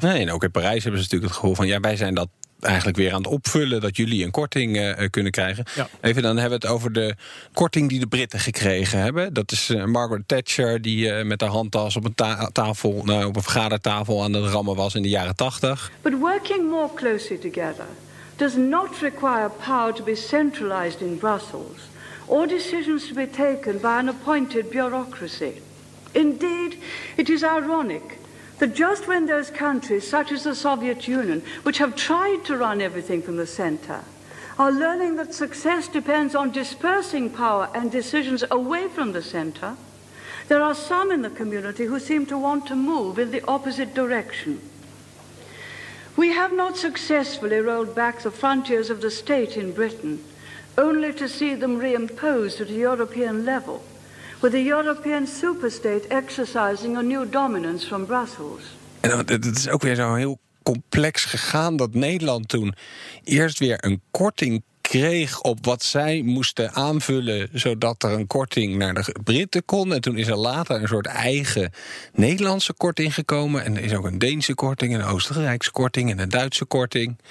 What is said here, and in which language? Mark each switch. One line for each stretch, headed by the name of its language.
Dutch: Nee, en ook in Parijs hebben ze natuurlijk het gevoel van ja, wij zijn dat eigenlijk weer aan het opvullen dat jullie een korting kunnen krijgen. Ja. Even dan hebben we het over de korting die de Britten gekregen hebben. Dat is Margaret Thatcher die met haar handtas op een tafel, nou, op een vergadertafel aan het rammen was in de jaren 80.
English: But working more closely together does not require power to be centralized in Brussels or decisions to be taken by an appointed bureaucracy. Indeed, it is ironic that just when those countries, such as the Soviet Union, which have tried to run everything from the center, are learning that success depends on dispersing power and decisions away from the center, there are some in the community who seem to want to move in the opposite direction. We have not successfully rolled back the frontiers of the state in Britain, only to see them reimposed at a European level, with the European superstate exercising a new dominance from Brussels.
Dutch: En dat is ook weer zo heel complex gegaan dat Nederland toen eerst weer een korting kreeg op wat zij moesten aanvullen, zodat er een korting naar de Britten kon. En toen is er later een soort eigen Nederlandse korting gekomen. En er is ook een Deense korting, een Oostenrijkse korting en een Duitse korting.